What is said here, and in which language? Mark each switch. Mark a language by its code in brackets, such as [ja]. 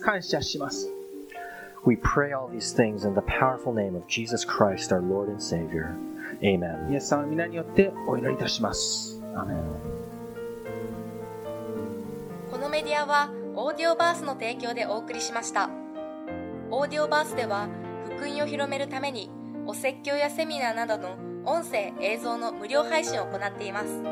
[ja] 感謝します。 [en] We pray all these things in the powerful name of Jesus Christ, our Lord and Savior. Amen. [ja] イエス様の皆によってお祈りいたします。 [en] Amen. [ja] このメディアはオーディオバースの提供でお送りしました。オーディオバースでは福音を広めるためにお説教やセミナーなどの音声映像の無料配信を行っています。